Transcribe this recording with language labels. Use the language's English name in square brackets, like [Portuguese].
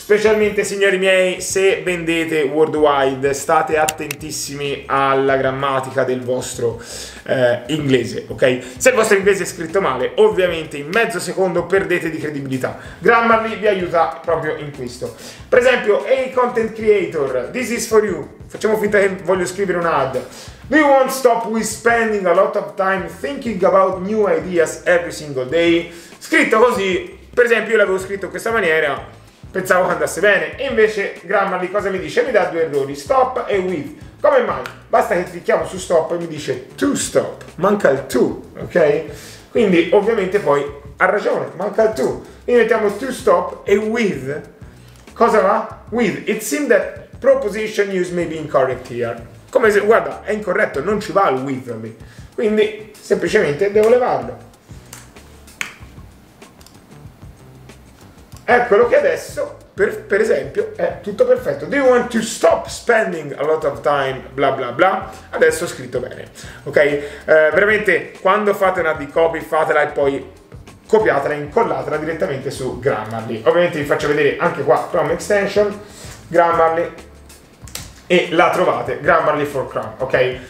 [Italian] Specialmente, signori miei, se vendete worldwide, state attentissimi alla grammatica del vostro inglese, ok? Se il vostro inglese è scritto male, ovviamente in mezzo secondo perdete di credibilità. Grammarly vi aiuta proprio in questo. Per esempio, hey content creator, this is for you. Facciamo finta che voglio scrivere un ad. [English] We won't stop with spending a lot of time thinking about new ideas every single day. [Italian] Scritto così, per esempio io l'avevo scritto in questa maniera, pensavo che andasse bene, e invece Grammarly cosa mi dice? Mi dà due errori, stop e with. Come mai? Basta che clicchiamo su stop e mi dice to stop, manca il to, ok? Quindi ovviamente poi ha ragione, manca il to. Quindi mettiamo to stop e with. Cosa va? With. [English] It seems that proposition use may be incorrect here. [Italian] Come se, guarda, è incorretto, non ci va il with me. Quindi semplicemente devo levarlo. Eccolo che adesso, per esempio, è tutto perfetto. [English] Do you want to stop spending a lot of time, bla bla bla? [Italian] Adesso ho scritto bene, ok? Veramente, quando fate una di copy, fatela e poi copiatela e incollatela direttamente su Grammarly. Ovviamente vi faccio vedere anche qua, Chrome extension, Grammarly, e la trovate, Grammarly for Chrome, ok?